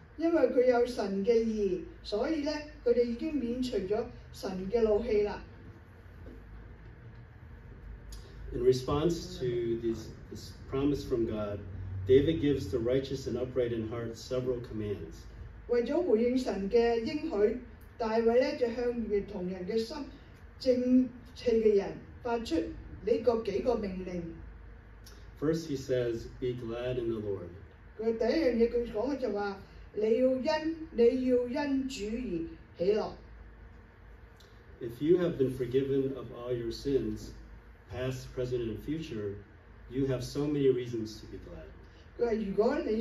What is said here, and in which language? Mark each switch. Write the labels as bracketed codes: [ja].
[en] In response to this promise from God, David gives the righteous and upright in heart several commands. [zh] 为了回应神的应许,大卫就向与同人的心,正气的人发出这几个命令。 [en] First he says, be glad in the Lord. [zh] 第一件事他说的就是,你要因主而喜乐。 [en] If you have been forgiven of all your sins, past, present, and future, you have so many reasons to be glad.